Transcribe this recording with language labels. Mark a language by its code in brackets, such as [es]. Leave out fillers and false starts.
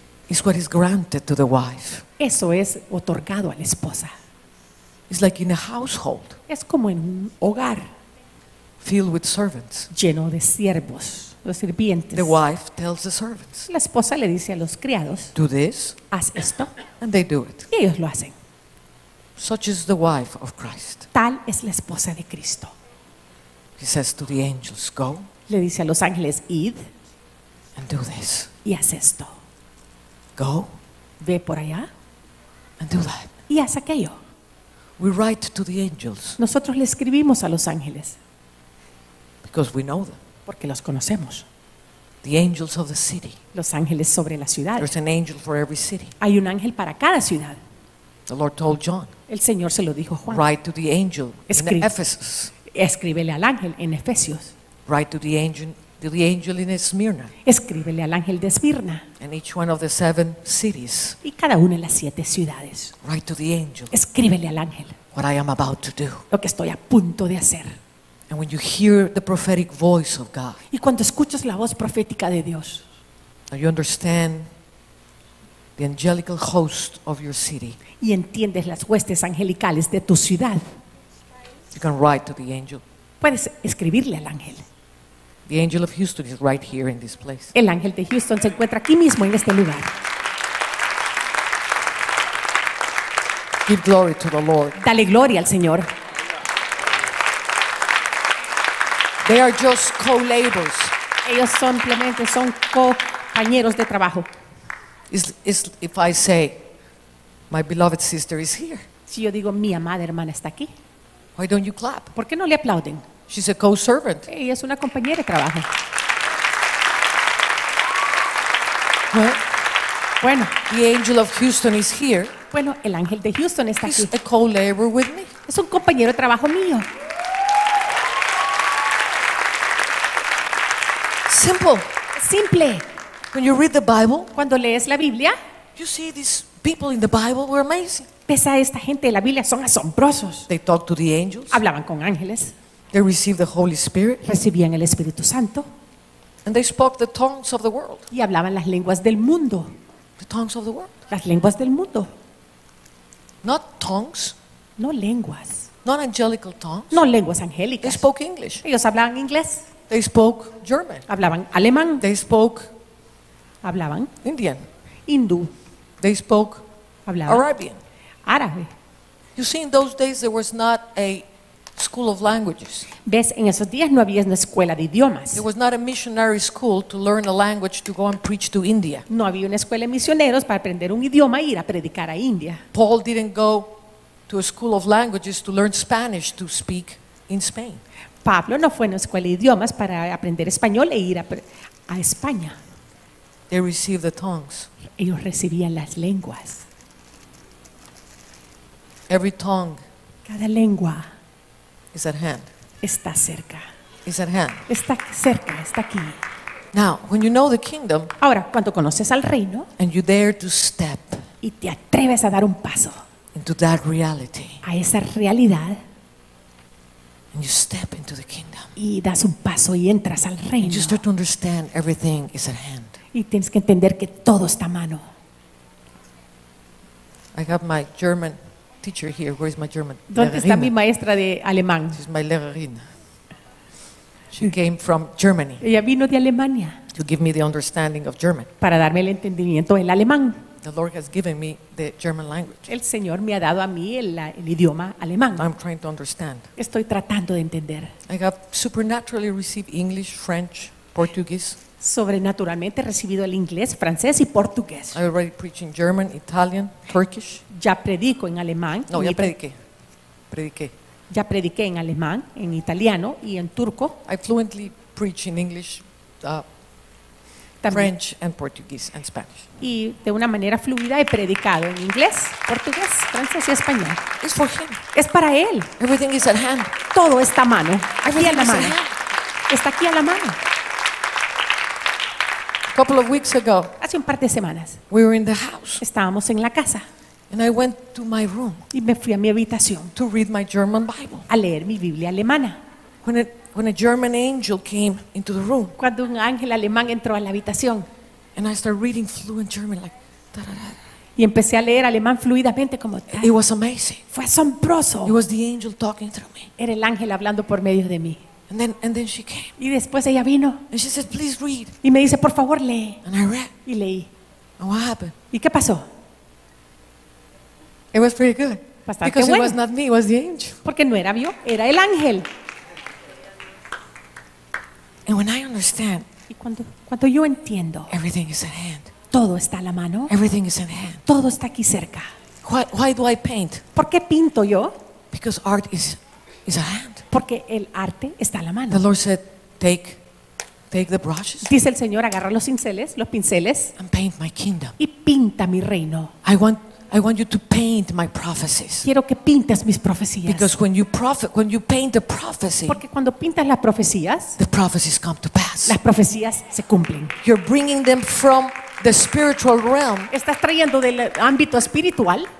[en] It's what is granted to the wife. [es] Eso es otorgado a la esposa. [en] It's like in a household. [es] Es como en un hogar. [en] Filled with servants. [es] Lleno de siervos, los sirvientes. [en] The wife tells the servants. [es] La esposa le dice a los criados. [en] Do this. [es] Haz esto. [en] And they do it. [es] Y ellos lo hacen. [en] Such is the wife of Christ. [es] Tal es la esposa de Cristo. [en] He says to the angels, go. [es] Le dice a los ángeles, id. [en] And do this. [es] Y haz esto. [en] Go. [es] Ve por allá. [en] And do that. [es] Y haz aquello. [en] We write to the angels. [es] Nosotros le escribimos a los ángeles. [en] Because we know them. [es] Porque los conocemos. [en] The angels of the city. [es] Los ángeles sobre la ciudad. [en] There's an angel for every city. [es] Hay un ángel para cada ciudad. [en] The Lord told John. [es] El Señor se lo dijo a Juan. [en] Write to the angel in Ephesus. [es] Escríbele al ángel en Efesios. [en] Write to the angel. The angel in Smyrna. [es] Escríbele al ángel de Esmirna. [en] And each one of the seven cities. [es] Y cada una de las siete ciudades. [en] Write to the angel. [es] Escríbele al ángel. [en] What I am about to do. [es] Lo que estoy a punto de hacer. [en] And when you hear the prophetic voice of God. [es] Y cuando escuchas la voz profética de Dios. [en] Now you understand the angelical host of your city. [es] Y entiendes las huestes angelicales de tu ciudad. [en] You can write to the angel. [es] Puedes escribirle al ángel. [en] The angel of Houston is right here in this place. [es] El ángel de Houston se encuentra aquí mismo en este lugar. [en] Give glory to the Lord. [es] Dale gloria al Señor. [en] They are just co-laborers. [es] Ellos simplemente son compañeros de trabajo. [en] Is if I say, my beloved sister is here. [es] Si yo digo mi amada hermana está aquí. [en] Why don't you clap? [es] ¿Por qué no le aplauden? [en] She's a co-servant. [es] Ella es una compañera de trabajo. [en] Well, [es] bueno, [en] the angel of Houston is here. [es] Bueno, el ángel de Houston está [en] He's [es] aquí. [en] A co-laborer with me. [es] Es un compañero de trabajo mío. [en] Simple. [es] Simple. [en] When you read the Bible, [es] cuando lees la Biblia, [en] you see these people in the Bible were amazing. [es] Ves a esta gente de la Biblia, son asombrosos. [en] They talk to the angels. [es] Hablaban con ángeles. [en] They received the Holy Spirit. [es] Recibían el Espíritu Santo. [en] And they spoke the tongues of the world. [es] Y hablaban las lenguas del mundo. [en] The tongues of the world. [es] Las lenguas del mundo. [en] Not tongues. [es] No lenguas. [en] Not angelical tongues. [es] No lenguas angélicas. [en] They spoke English. [es] Ellos hablaban inglés. [en] They spoke German. [es] Hablaban alemán. [en] They spoke. [es] Hablaban. [en] Indian. [es] Hindú. [en] They spoke. [es] Hablaban. [en] Arabian. [es] Árabe. [en] You see, in those days there was not a School of languages. [es] Ves, en esos días no había una escuela de idiomas. [en] There was not a missionary school to learn a language to go and preach to India. [es] No había una escuela de misioneros para aprender un idioma e ir a predicar a India. [en] Paul didn't go to a school of languages to learn Spanish to speak in Spain. [es] Pablo no fue a una escuela de idiomas para aprender español e ir a España. [en] They received the tongues. [es] Ellos recibían las lenguas. [en] Every tongue. [es] Cada lengua. [en] Is at hand. [es] Está cerca. [en] Is at hand. [es] Está cerca, está aquí. [en] Now, when you know the kingdom, [es] ahora, cuando conoces al reino, [en] and you dare to step, [es] y te atreves a dar un paso, [en] into that reality, [es] a esa realidad, [en] and you step into the kingdom, [es] y das un paso y entras al reino, [en] and you start to understand everything is at hand, [es] y tienes que entender que todo está a mano. [en] I have my German teacher here. Where is my German? [es] ¿Dónde está mi maestra de alemán? [en] She's my Lehrerin. She came from Germany. [es] Ella vino de Alemania. [en] To give me the understanding of German. [es] Para darme el entendimiento del alemán. [en] The Lord has given me the German language. [es] El Señor me ha dado a mí el idioma alemán. [en] I'm trying to understand. [es] Estoy tratando de entender. [en] I have supernaturally received English, French, Portuguese. [es] Sobrenaturalmente he recibido el inglés, francés y portugués. [en] I already preach in German, Italian, Turkish. [es] Ya predico en alemán. No, ya prediqué. Prediqué. Ya prediqué en alemán, en italiano y en turco. [en] I fluently preach in English, French and Portuguese and Spanish. [es] Y de una manera fluida he predicado en inglés, portugués, francés y español. [en] It's for him. [es] Es para él. [en] Everything is at hand. [es] Todo está a mano. Aquí a la mano. Está aquí a la mano. [en] Couple of weeks ago, [es] hace un par de semanas, [en] we were in the house. [es] Estábamos en la casa. [en] And I went to my room. [es] Y me fui a mi habitación. [en] To read my German Bible. [es] A leer mi Biblia alemana. [en] When a German angel came into the room. [es] Cuando un ángel alemán entró a la habitación. [en] And I started reading fluent German like da da da. [es] Y empecé a leer alemán fluidamente como tal. [en] It was amazing. [es] Fue asombroso. [en] It was the angel talking through me. [es] Era el ángel hablando por medio de mí. [en] And then she came. [es] Y después ella vino. [en] And she said, "Please read." [es] Y me dice, "Por favor, lee." [en] And I read. [es] Y leí. [en] And what happened? [es] ¿Y qué pasó? [en] It was pretty good. [es] Bastante [en] because [es] bueno. [en] It was not me, it was the angel. [es] Porque no era yo, era el ángel. [en] And when I understand. [es] Y cuando yo entiendo. [en] Everything is at hand. [es] Todo está a la mano. [en] Everything is at hand. [es] Todo está aquí cerca. [en] Why do I paint? [es] ¿Por qué pinto yo? [en] Because art is at hand. [es] Porque el arte está a la mano. [en] The Lord said, take the brushes. [es] Dice el Señor, agarra los cinceles, los pinceles. [en] And paint my kingdom. [es] Y pinta mi reino. [en] I want you to paint my prophecies. [es] Quiero que pintes mis profecías. [en] Because when you paint the prophecy. [es] Porque cuando pintas las profecías, [en] the prophecies come to pass. [es] Las profecías se cumplen. [en] You're bringing them from the spiritual realm. [es] Estás trayendo del ámbito espiritual